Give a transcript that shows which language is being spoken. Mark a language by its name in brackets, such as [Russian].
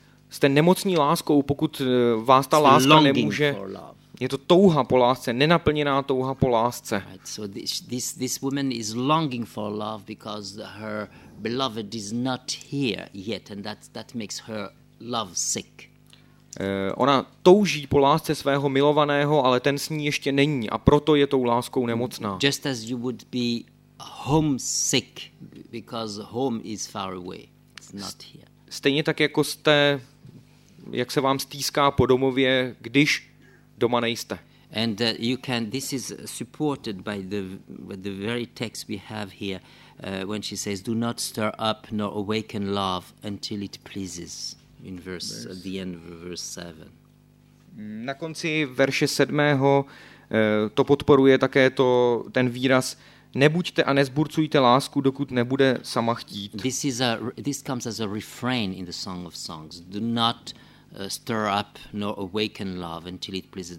[Czech] Jste nemocní láskou, pokud vás ta láska nemůže. Je to touha po lásce, nenaplněná touha po lásce. [English] Right, so this woman is longing for love because her beloved is not here yet, and that makes her love sick. [Czech] Ona touží po lásce svého milovaného, ale ten s ní ještě není a proto je tou láskou nemocná. [English] Just as you would be homesick because home is far away. It's not here. [Czech] Stejně tak jako jste, jak se vám stýská po domově, když doma nejste. [English] And you can, this is supported by the very text we have here when she says, do not stir up nor awaken love until it pleases. In verse 7. [Czech] Na konci verše 7. To podporuje také to ten výraz: nebuďte a nezburcujte lásku, dokud nebude sama chtít. [English] This comes as a refrain in the Song of Songs. Do not stir up nor awaken love until it pleases.